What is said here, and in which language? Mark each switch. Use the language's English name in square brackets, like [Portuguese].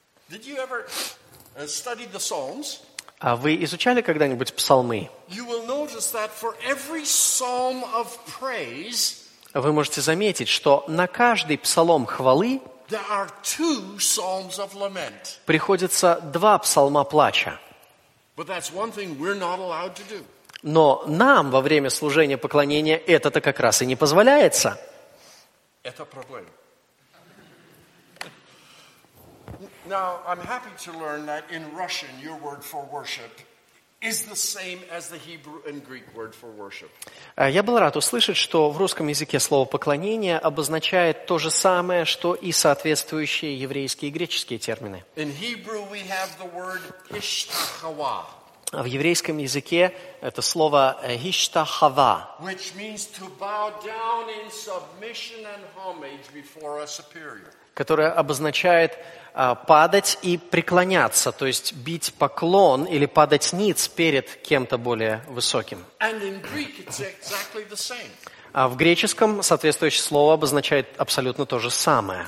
[English] Did you ever study the Psalms? [Russian] А вы изучали когда-нибудь псалмы? [English] You will notice that for every psalm of praise, [Russian] вы можете заметить, что на каждый псалом хвалы [English] there are two psalms of lament. [Russian] Приходится два псалма плача. [English] But that's one thing we're not allowed to do. [Russian] Но нам во время служения поклонения это-то как раз и не позволяется. Это проблема. [English] Now, I'm happy to learn that in Russian your word for worship is the same as the Hebrew and Greek word for worship. [Russian] Я был рад услышать, что в русском языке слово поклонение обозначает то же самое, что и соответствующие еврейские и греческие термины. [English] In Hebrew we have the word ishtahava. [Russian] В еврейском языке это слово ishtahava, [English] which means to bow down in submission and homage before a superior. [Russian] Которое обозначает падать и преклоняться, то есть бить поклон или падать ниц перед кем-то более высоким. [English] Exactly. [Russian] А в греческом соответствующее слово обозначает абсолютно то же самое.